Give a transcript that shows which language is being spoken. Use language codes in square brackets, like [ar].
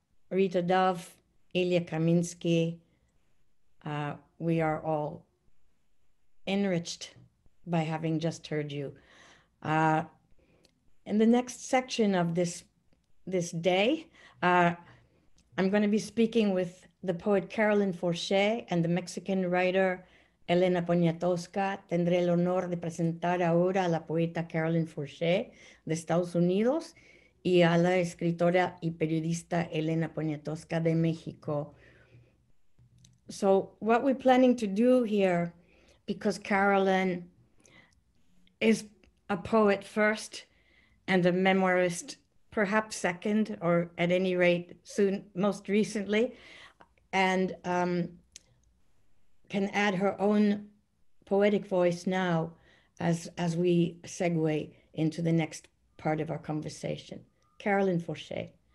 [en] Rita Dove, Ilya Kaminsky, we are all enriched by having just heard you. In the next section of this day, I'm going to be speaking with the poet Carolyn Forché and the Mexican writer Elena Poniatowska. [es] Tendré el honor de presentar ahora a la poeta Carolyn Forché de Estados Unidos y a la escritora y periodista Elena Poniatowska de México. [en] So what we're planning to do here, because Carolyn is a poet first and a memoirist perhaps second, or at any rate, soon, most recently, and can add her own poetic voice now as we segue into the next part of our conversation. Carolyn Forché.